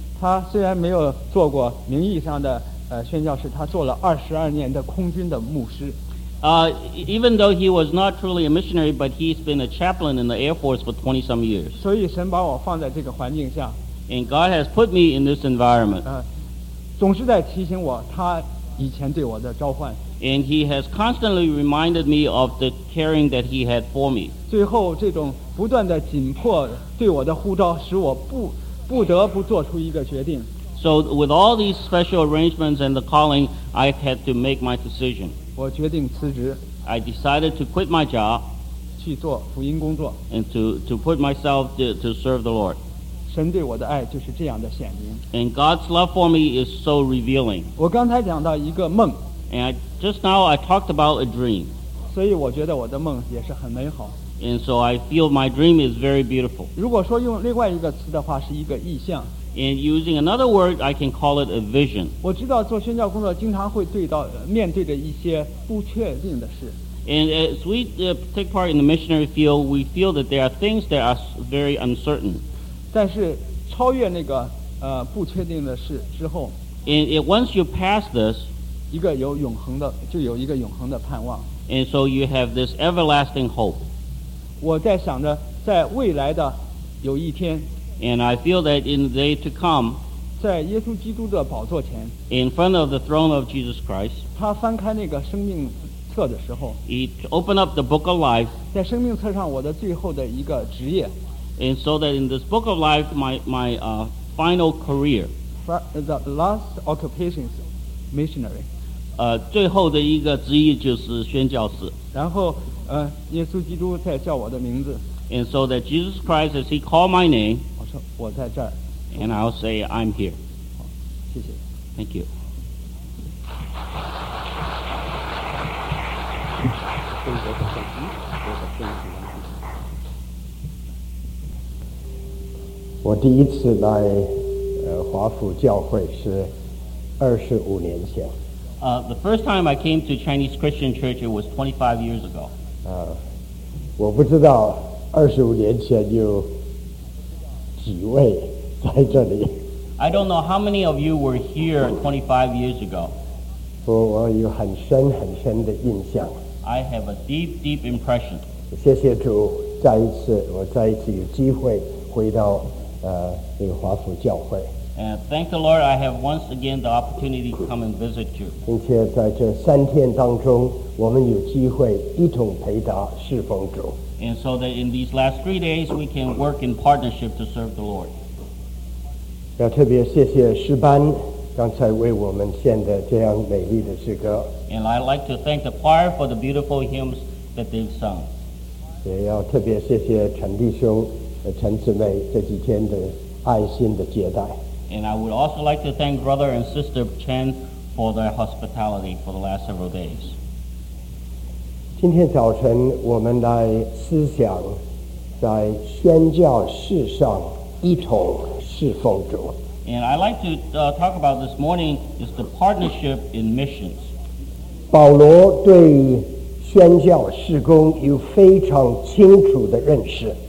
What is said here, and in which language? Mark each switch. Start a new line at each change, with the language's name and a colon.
Chinese: 他虽然没有做过名义上的宣教士，他做了22年的空军的牧师。
English: Even though he was not truly a missionary, but he's been a chaplain in the Air Force for 20-some years.
Chinese: 所以神把我放在这个环境下。
English: And God has put me in this environment.
Chinese: 总是在提醒我他以前对我的召唤。
English: And he has constantly reminded me of the caring that he had for me.
Chinese: 最后这种不断的紧迫对我的呼召，使我不得不做出一个决定。
English: So with all these special arrangements and the calling, I had to make my decision.
Chinese: 我决定辞职。
English: I decided to quit my job.
Chinese: 去做福音工作。
English: And to put myself to serve the Lord.
Chinese: 神对我的爱就是这样的显明。
English: And God's love for me is so revealing.
Chinese: 我刚才讲到一个梦。
English: And just now I talked about a dream.
Chinese: 所以我觉得我的梦也是很美好。
English: And so I feel my dream is very beautiful.
Chinese: 如果说用另外一个词的话，是一个意象。
English: And using another word, I can call it a vision.
Chinese: 我知道做宣教工作经常会对到面对着一些不确定的事。
English: And as we take part in the missionary field, we feel that there are things that are very uncertain.
Chinese: 但是超越那个不确定的事之后，
English: And once you pass this,
Chinese: 一个有永恒的，就有一个永恒的盼望。
English: And so you have this everlasting hope.
Chinese: 我在想着在未来的有一天，
English: And I feel that in the day to come,
Chinese: 在耶稣基督的宝座前，
English: In front of the throne of Jesus Christ,
Chinese: 他翻开那个生命册的时候，
English: He opened up the book of life,
Chinese: 在生命册上我的最后的一个职业，
English: And so that in this book of life, my final career, the last occupation is missionary.
Chinese: 最后的一个职业就是宣教士。然后，耶稣基督在叫我的名字。
English: And so that Jesus Christ, as He called my name,
Chinese: 我说我在这儿。
English: And I'll say I'm here.
Chinese: 好，谢谢。
English: Thank you.
Chinese: (笑)我第一次来华府教会是25年前。
English: The first time I came to Chinese Christian Church, it was 25 years ago.
Chinese: 我不知道25年前有几位在这里。
English: I don't know how many of you were here 25 years ago.
Chinese: 我有很深很深的印象。
English: I have a deep, deep impression.
Chinese: 谢谢主，再一次，我再一次有机会回到这个华府教会。
English: And thank the Lord, I have once again the opportunity to come and visit you.
Chinese: 并且在这三天当中，我们有机会一同陪答侍奉主。
English: And so that in these last 3 days, we can work in partnership to serve the Lord.
Chinese: 要特别谢谢诗班刚才为我们献的这样美丽的诗歌。
English: And I'd like to thank the choir for the beautiful hymns that they've sung.
Chinese: 也要特别谢谢陈弟兄、陈姊妹这几天的爱心的接待。
English: And I would also like to thank Brother and Sister Chen for their hospitality for the last several days.
Chinese: 今天早晨我们来思想在宣教事上一同侍奉主。
English: And I'd like to talk about this morning is the partnership in missions.
Chinese: 保罗对宣教事工有非常清楚的认识。